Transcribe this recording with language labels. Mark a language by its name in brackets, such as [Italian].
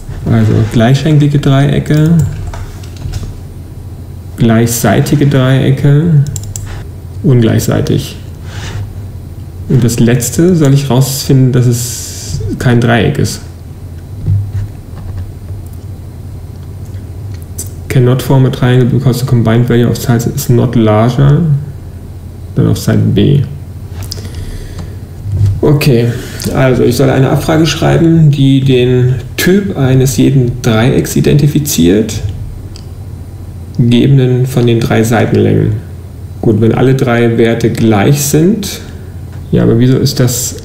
[German] Also gleichschenklige Dreiecke, gleichseitige Dreiecke. Ungleichseitig. Und das letzte soll ich rausfinden, dass es kein Dreieck ist. [English] Cannot form a triangle because the combined value of sides is not larger than of side B. [German] Okay, also ich soll eine Abfrage schreiben, die den Typ eines jeden Dreiecks identifiziert, gegebenen von den drei Seitenlängen. Gut, wenn alle drei Werte gleich sind. Ja, aber wieso ist das...